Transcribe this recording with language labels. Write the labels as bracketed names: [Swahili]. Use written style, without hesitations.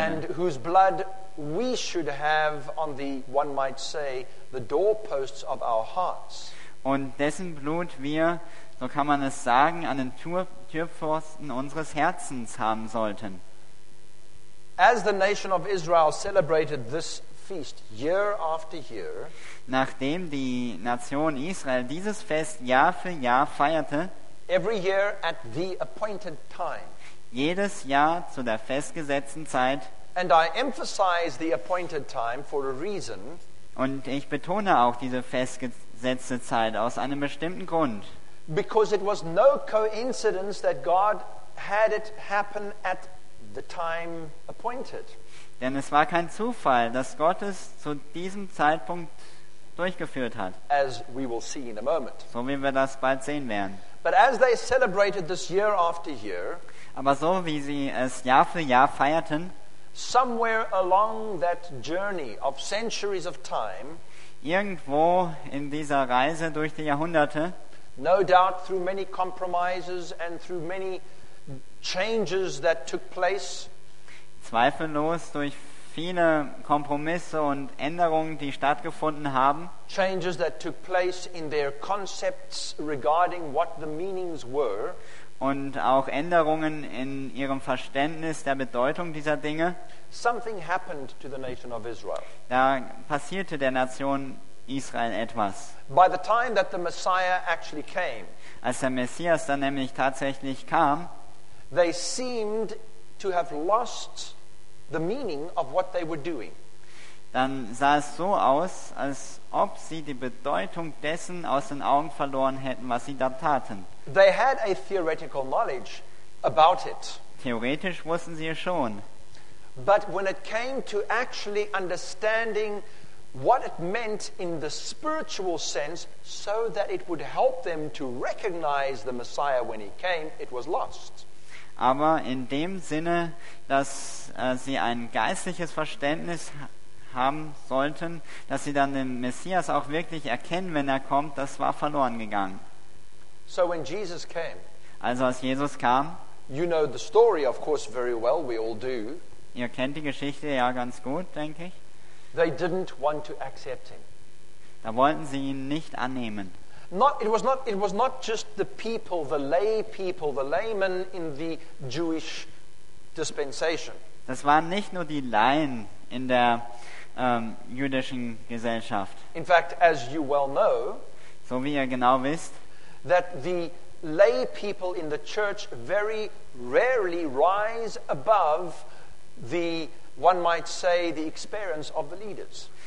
[English] and whose blood we should have on the, one might say, the doorposts of our hearts, [German] und dessen Blut wir, so kann man es sagen, an den Türpfosten unseres Herzens haben sollten. [English] As the nation of Israel celebrated this feast year after year, [German] nachdem die Nation Israel dieses Fest Jahr für Jahr feierte, [English] every year at the appointed time, [German] jedes Jahr zu der festgesetzten Zeit, [English] and I emphasize the appointed time for a reason, [German] und ich betone auch diese festgesetzte Zeit aus einem bestimmten Grund, [English] because it was no coincidence that God had it happen at the time appointed. [German] Denn es war kein Zufall, dass Gott es zu diesem Zeitpunkt durchgeführt hat. [English] As we will see in a moment. [German] So wie wir das bald sehen werden. [English] But as they celebrated this year after year, [German] aber so wie sie es Jahr für Jahr feierten, [English] somewhere along that journey of centuries of time, [German] irgendwo in dieser Reise durch die Jahrhunderte, [English] no doubt through many compromises and through many changes that took place, [German] zweifellos durch viele Kompromisse und Änderungen, die stattgefunden haben, [English] changes that took place in their concepts regarding what the meanings were, [German] und auch Änderungen in ihrem Verständnis der Bedeutung dieser Dinge, [English] something happened to the nation of Israel. [German] Da passierte der Nation Israel etwas. [English] By the time that the Messiah actually came, [German] als der Messias dann nämlich tatsächlich kam, [English] they seemed to have lost the meaning of what they were doing. [German] dann sah es so aus, als ob sie die Bedeutung dessen aus den Augen verloren hätten, was sie da taten. [English] They had a theoretical knowledge about it. [German] Theoretisch wussten sie es schon. [English] But when it came to actually understanding what it meant in the spiritual sense, so that it would help them to recognize the Messiah when he came, it was lost. [German] Aber in dem Sinne, dass sie ein geistliches Verständnis haben sollten, dass sie dann den Messias auch wirklich erkennen, wenn er kommt, das war verloren gegangen. [English] So when Jesus came, [German] also als Jesus kam, [English] you know the story, of course, very well, we all do. [German] Ihr kennt die Geschichte ja ganz gut, denke ich. [English] They didn't want to accept him. [German] Da wollten sie ihn nicht annehmen. [English] It was not just the people, the lay people, the laymen in the Jewish dispensation. [German] Das waren nicht nur die Laien in der jüdischen Gesellschaft. [English] In fact, as you well know, [German] so wie ihr genau wisst, [English] that the lay people in the church very rarely rise above the, one might say, the experience of the leaders.